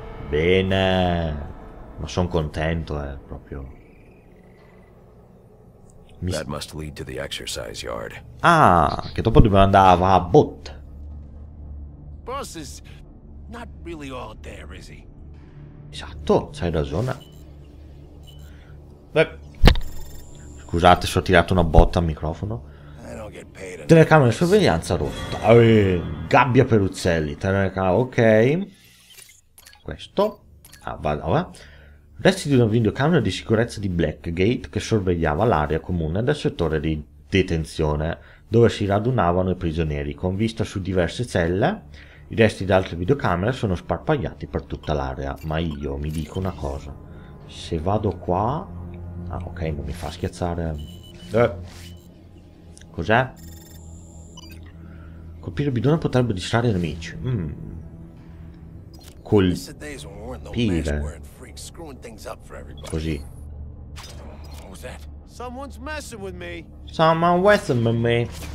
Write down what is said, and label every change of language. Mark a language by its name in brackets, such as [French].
[Italian] Bene. Ma sono contento, proprio. [English] That must lead to the exercise yard. [Italian] Ah, che dopo dobbiamo andare a bot. [English] Boss is not really all there, is he? [Italian] Esatto, c'hai ragione. Scusate se ho tirato una botta al microfono. Telecamera di sorveglianza rotta. Gabbia per uccelli. Telecamera, ok. Questo. Va. Resti di una videocamera di sicurezza di Blackgate che sorvegliava l'area comune del settore di detenzione dove si radunavano i prigionieri, con vista su diverse celle. I resti di altre videocamere sono sparpagliati per tutta l'area. Ma io mi dico una cosa, se vado qua... Ah ok, non mi fa schiacciare. Cos'è? Colpire bidone potrebbe distrarre i nemici. Colpire. [English] Screwing things up for everybody. [Italian] Così. [English] What was that? Someone's messing with me. Someone's messing with me.